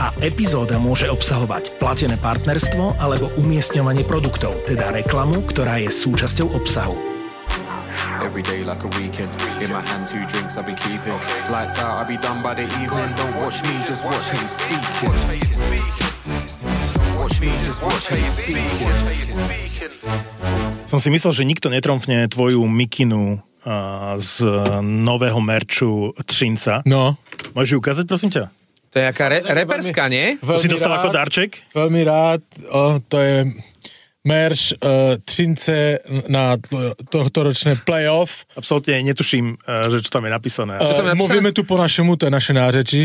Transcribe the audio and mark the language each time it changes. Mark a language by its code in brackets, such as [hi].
[sk] A epizóda môže obsahovať platené partnerstvo alebo umiestňovanie produktov, teda reklamu, ktorá je súčasťou obsahu. [en] Every day like a weekend, in my hand two drinks I'll be keeping. Lights out, I'll be done by the evening. Don't watch me, just watch how you speak. Watch how you speak. Watch me, just watch how you speak. Watch how you speak. [sk] Som si myslel, že nikto netromfne tvoju mikinu z nového merču Třinca. No. Môžeš ju ukázať, prosím ťa? To je jaká reperská, nie? Si dostal ako darček? Veľmi rád. To je merš Třince na tohtoročné playoff. Absolutne netuším, že čo tam je napísané. [cs] Mluvíme tu po našemu, to je naše nářeči.